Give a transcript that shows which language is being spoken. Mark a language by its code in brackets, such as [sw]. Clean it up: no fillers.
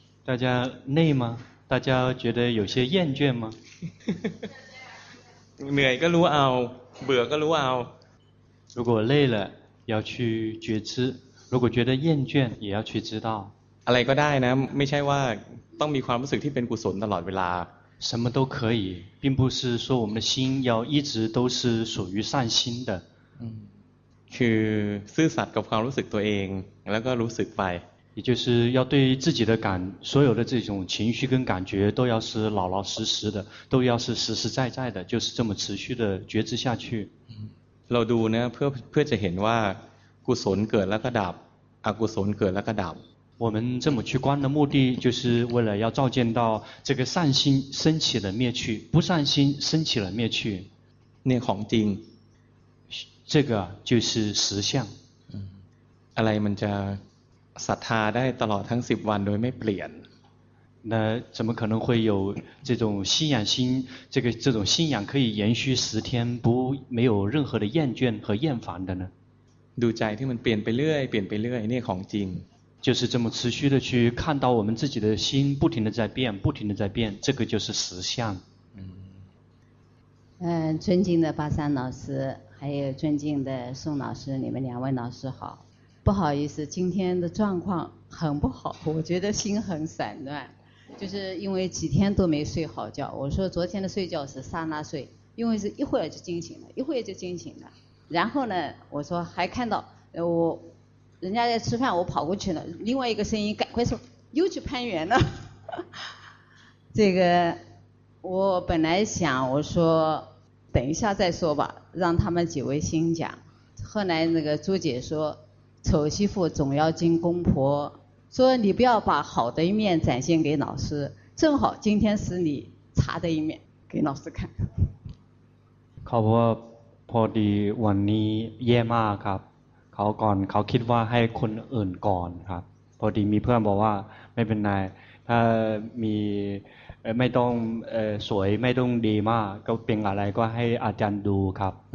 [zh] 大家累吗大家觉得有些厌倦吗 [th] เหนื่อยก็รู้เอาเบื่อก็รู้เอา [zh] 如果累了要去觉知如果觉得厌倦也要去知道 [th] อะไรก็ได้นะไม่ใช่ว่าต้องมีความรู้สึกที่เป็นกุศลตลอดเวลา [zh] 什么都可以并不是说我们的心要一直都是属于善心的 [th] คือซื่อสัตย์กับความรู้สึกตัวเองแล้วก็รู้สึกไป [zh] 也就是要对自己的感所有的这种情绪跟感觉都要是老老实实的都要是实实在在的就是这么持续的觉知下去 [th] เราดูนะเพื่อจะเห็นว่ากุศลเกิดแล้วก็ดับอกุศลเกิดแล้วก็ดับ [zh] 我们这么去观的目的就是为了要照见到这个善心升起了灭去不善心升起了灭去 [th] 那ของจริง [zh] 这个就是实相 [th] อะไรมันจะศรัทธาได้ตลอดทั้ง10วันโดยไม่เปลี่ยน [zh] 那怎么可能会有这种信仰心这种信仰可以延续十天不没有任何的厌倦和厌烦的呢 [th] ดูใจที่มันเปลี่ยนไปเรื่อยเปลี่ยนไปเรื่อยนี่ของจริง [zh] 就是这么持续的去看到我们自己的心不停的在变不停的在变这个就是实相尊敬的巴山老师还有尊敬的宋老师你们两位老师好不好意思今天的状况很不好我觉得心很散乱就是因为几天都没睡好觉我说昨天的睡觉是刹那睡因为是一会儿就惊醒了一会儿就惊醒了然后呢我说还看到我人家在吃饭我跑过去了另外一个声音赶快说又去攀援了这个我本来想我说等一下再说吧让他们几位先讲后来那个朱姐说丑媳妇总要经公婆说你不要把好的一面展现给老师正好今天是你差的一面给老师看 [th] ขอบพอดีวันนี้เยี่ยมมากครับเขาก่อนเขาคิดว่าให้คนอื่นก่อนครับพอดีมีเพื่อนบอกว่าไม่เป็นไรถ้ามีไม่ต้องสวยไม่ต้องดีมากก็เป็นอะไรก็ให้อาจารย์ดูครับ